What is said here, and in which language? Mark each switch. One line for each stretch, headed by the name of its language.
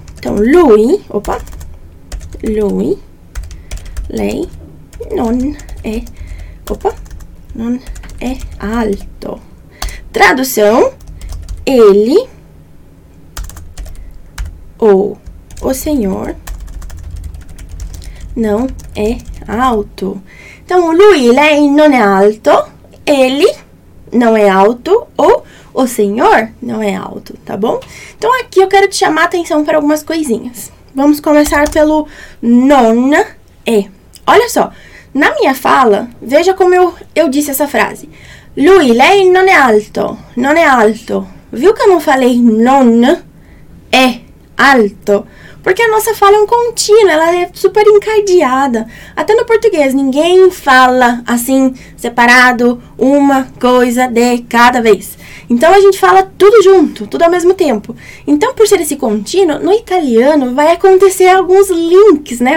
Italian: Então, lui, opa, lui, lei, non è, opa, non è alto.
Portuguese: Tradução, ele, ou o senhor, não é alto. Então,
Italian: lui, lei, non è alto,
Portuguese: ele não é alto, ou o senhor não é alto, tá bom? Então, aqui eu quero te chamar a atenção para algumas coisinhas. Vamos começar pelo non é. Olha só, na minha fala, veja como eu disse essa frase.
Italian: Lui, lei, non è alto, non è alto.
Portuguese: Viu que eu não falei
Italian: non è alto?
Portuguese: Porque a nossa fala é um contínuo, ela é super encadeada. Até no português, ninguém fala assim, separado, uma coisa de cada vez. Então a gente fala tudo junto, tudo ao mesmo tempo. Então, por ser esse contínuo, no italiano vai acontecer alguns links, né?